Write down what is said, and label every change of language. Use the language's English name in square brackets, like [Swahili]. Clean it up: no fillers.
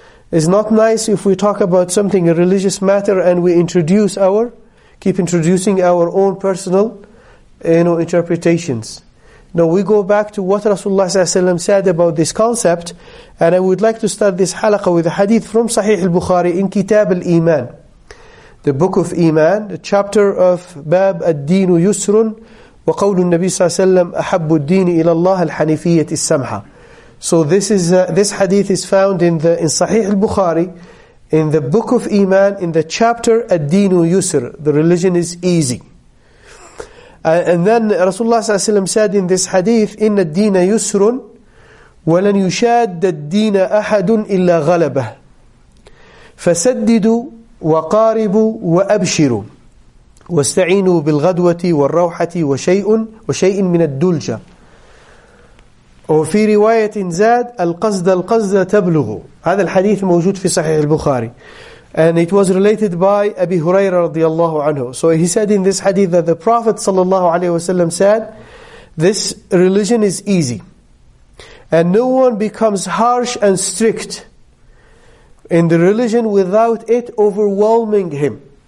[English] It's not nice if we talk about something, a religious matter, and we keep introducing our own personal, you know, interpretations. No, we go back to what Rasulullah sallallahu alaihi wasallam said about this concept, and I would like to start this halaqa with a hadith from Sahih al-Bukhari in Kitab al-Iman, the Book of Iman, the chapter of Bab ad-Dinu Yusrun. [Arabic] وقول النبي صلى الله عليه وسلم أحب الدين إلى الله الحنيفية السمحة. [English] So this hadith is found in Sahih al-Bukhari in the book of Iman, in the chapter Ad-Dinu Yusr, the religion is easy. And then Rasulullah ﷺ said in this hadith, [Arabic] إِنَّ الدِّينَ يُسْرٌ وَلَنْ يُشَادَّ الدِّينَ أَحَدٌ إِلَّا غَلَبَهُ فَسَدِّدُوا وَقَارِبُوا وَأَبْشِرُوا وَاسْتَعِينُوا بِالْغَدْوَةِ وَالرَّوْحَةِ وَشَيْءٍ مِنَ الدُّلْجَةِ وفي رواية زاد القصد القصد تبلغ. هذا الحديث موجود في صحيح البخاري. [English] And it was related by Abi Huraira radiallahu anhu. So he said in this hadith that the Prophet sallallahu alayhi wasallam said, this religion is easy. And no one becomes harsh and strict in the religion without it overwhelming him.